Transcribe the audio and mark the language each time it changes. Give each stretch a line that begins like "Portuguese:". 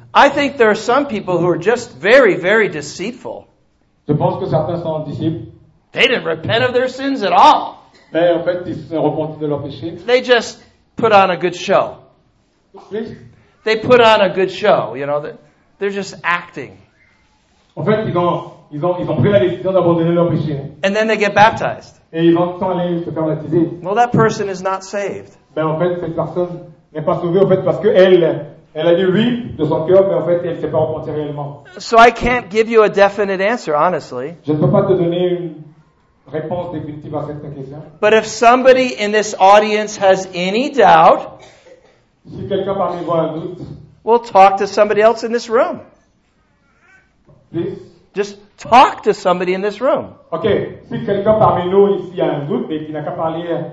English: I think there are some people who are just very, very deceitful.
French: Je pense que certains sont disciples.
English: They didn't repent of their sins at all.
French: Mais en fait, ils se repentent de leurs péchés.
English: They just put on a good show. Please? They put on a good show, you know. They're just acting.
French: En fait, ils ont pris la décision d'abandonner leurs péchés.
English: And then they get baptized.
French: Et ils vont aller se faire baptiser.
English: Well, that person is not saved.
French: Ben en fait, cette personne n'est pas sauvée en fait parce qu'elle a dit oui de son cœur, mais en fait, elle ne s'est pas repentie réellement.
English: So I can't give you a definite answer, honestly.
French: Je ne peux pas te donner une réponse définitive à cette question.
English: But if somebody in this audience has any doubt,
French: si quelqu'un parmi vous a un doute,
English: we'll talk to somebody else in this room. Please. Just talk to somebody in this room.
French: Ok, si quelqu'un parmi nous ici a un doute, mais qui n'a qu'à parler...